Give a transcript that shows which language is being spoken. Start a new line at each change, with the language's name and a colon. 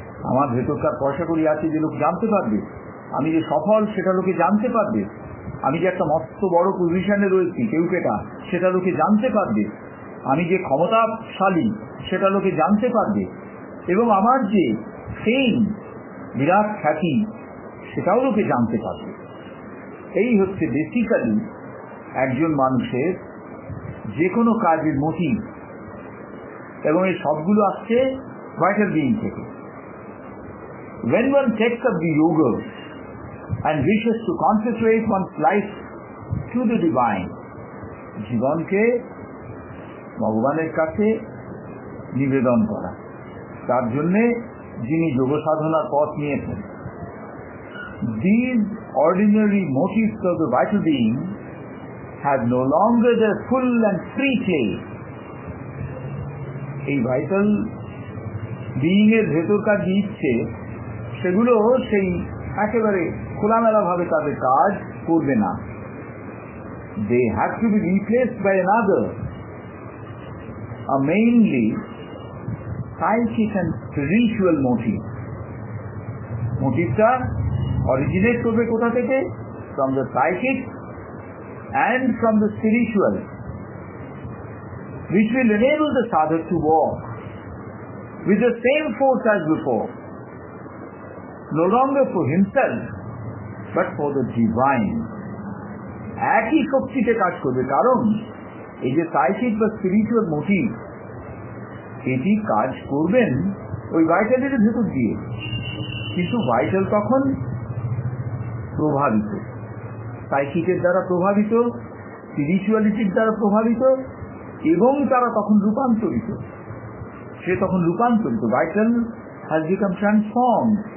Bangla: আমার ভেতরকার পয়সা করি আছে যে লোক জানতে পারবে, আমি যে সফল সেটা লোকে জানতে পারবে, আমি যে একটা মস্ত বড় পজিশনে রয়েছি কেউ কেটা সেটা লোকে জানতে পারবে, আমি যে ক্ষমতাশালী সেটা লোকে জানতে পারবে, এবং আমার যে সেই বিরাট খ্যাতি সেটাও লোকে জানতে পারবে। এই হচ্ছে বেসিক্যালি একজন মানুষের যে কোনো কাজের মোটিভ, এবং এই সবগুলো আসছে ভাইটাল বিং থেকে।
English: When one takes up the yoga and wishes to concentrate one's life to the divine,
Bangla: জীবনকে ভগবানের কাছে নিবেদন করা, তার জন্যে যিনি যোগ সাধনার পথ নিয়েছেন,
English: these ordinary motives of the vital being have no longer their full and free play.
Bangla: এই ভাইটাল বিইংয়ের ভেতরকার যে ইচ্ছে সেগুলো সেই একেবারে খোলামেলাভাবে তাদের কাজ করবে না,
English: They have to be replaced by another, আর mainly psychic and spiritual motive.
Bangla: মোটিভটা originate করবে কোথা থেকে?
English: From the psychic and from the spiritual, which will enable the sadhak to walk with the same force as before, no longer for himself, but for the divine.
Bangla: একই শক্তিতে কাজ করবে, কারণ এই যে সাইকিক বা স্পিরিচুয়াল মোটিভ, এটি কাজ করবেন ওই ভাইটালের ভেতর দিয়ে, কিন্তু ভাইটাল তখন প্রভাবিত, সাইকিকের দ্বারা প্রভাবিত, স্পিরিচুয়ালিটির দ্বারা প্রভাবিত, এবং তারা তখন রূপান্তরিত, সে তখন রূপান্তরিত,
English: Vital has become transform.